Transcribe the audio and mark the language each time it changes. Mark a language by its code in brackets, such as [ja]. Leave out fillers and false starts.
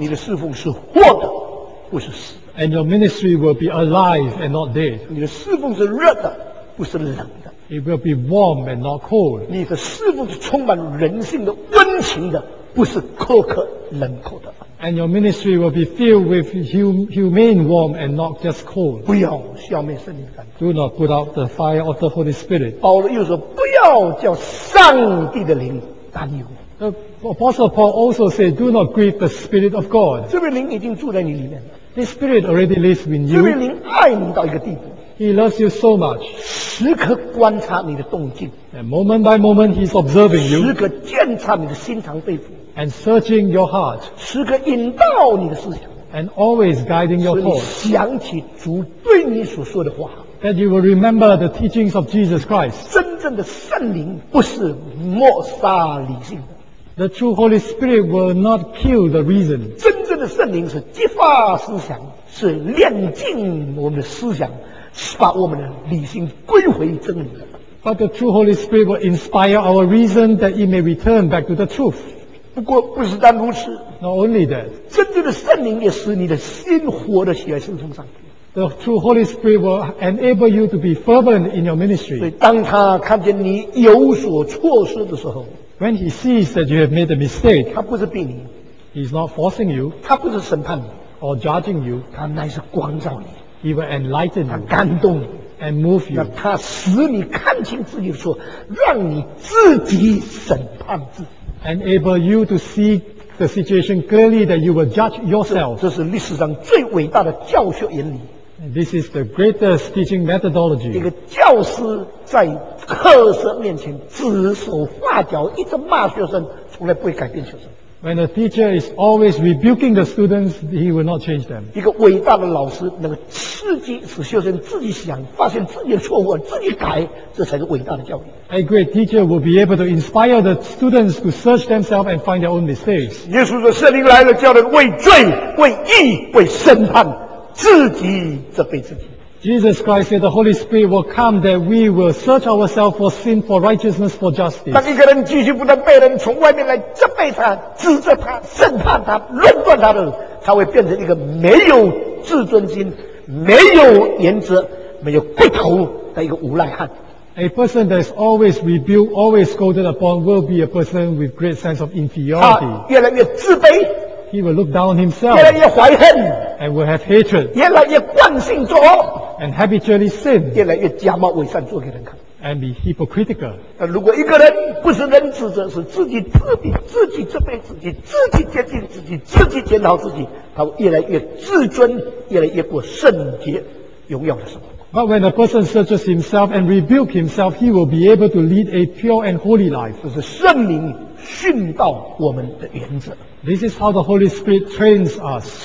[zh] 你的侍奉是活的，不是死。 [en] And your ministry will be alive and not dead. [zh] 你的侍奉是热的，不是冷的。 [en] It will be warm and not cold. [zh] 你的侍奉是充满人性的温情的，不是苛刻冷酷的。 [en] And your ministry will be filled with humane warm and not just cold. [zh] 不要消灭圣灵的感动。 [en] Do not put out the fire of the Holy Spirit. [zh] 保罗又说不要叫上帝的灵担忧。 [en] The Apostle Paul also said, do not grieve the Spirit of God. [zh] 这位灵已经住在你里面了。 [en] This Spirit already lives in you. [zh] 这位灵爱你到一个地步。 [en] He loves you so much. [zh] 时刻观察你的动静。 [en] And moment by moment, he's observing you. [zh] 时刻监察你的心肠肺腑。 [en] And searching your heart. [zh] 时刻引导你的思想。 [en] And always guiding your thoughts. [zh] 使你想起主对你所说的话。 [en] That you will remember the teachings of Jesus Christ. [zh] 真正的圣灵不是抹杀理性的。 [en] The true Holy Spirit will not kill the reason. [zh] 真正的圣灵是激发思想，是炼净我们的思想，是把我们的理性归回真理的。 [en] But the true Holy Spirit will inspire our reason that it may return back to the truth. [zh] 不过不是单如此。 [en] Not only that. [zh] 真正的圣灵也使你的心活得起来，圣灵上。 [en] The true Holy Spirit will enable you to be fervent in your ministry. [zh] 所以当他看见你有所错失的时候 [en] ，When he sees that you have made a mistake， [zh] 他不是逼你 [en] ，He's not forcing you， [zh] 他不是审判你 [en] ，or judging you， [zh] 他乃是光照你 [en] ，He will enlighten you， [zh] 他感动你 [en] ，and move you， [zh] 他使你看清自己的错，让你自己审判自己 [en] ，enable you to see。 The situation clearly that you will judge yourself. [zh] 这是历史上最伟大的教学原理。 [en] This is the greatest teaching methodology. [zh] 一个教师在课室面前指手画脚，一直骂学生，从来不会改变学生。 [en] When a teacher is always rebuking the students, he will not change them. [zh] 一个伟大的老师能够刺激使学生自己想，发现自己的错误，自己改，这才是伟大的教育。 [en] A great teacher will be able to inspire the students to search themselves and find their own mistakes. [zh] 耶稣说，圣灵来了，叫人为罪、为义、为审判，自己责备自己。 [en] Jesus Christ said the Holy Spirit will come that we will search ourselves for sin, for righteousness, for justice. [zh] 当一个人继续不断被人从外面来责备他、指责他、审判他、论断他的，他会变成一个没有自尊心、没有原则、没有骨头的一个无赖汉。 [en] A person that is always rebuked, always scolded upon will be a person with great sense of inferiority. [zh] 他越来越自卑。 [en] He will look down on himself. [zh] 越来越怀恨。 [en] And will have hatred. [zh] 越来越惯性作恶。 [en] And habitually sin. [zh] 越来越假冒伪善做给人看。 [en] And be hypocritical. [zh] 如果一个人不是人指责，是自己自贬、自己责备自己、自己接近自己、自己检讨自己，他会越来越自尊，越来越过圣洁、荣耀的生活。 [en] But when a person searches himself and rebukes himself, he will be able to lead a pure and holy life. [zh] 这是圣灵训导我们的原则。 [en] This is how the Holy Spirit trains us.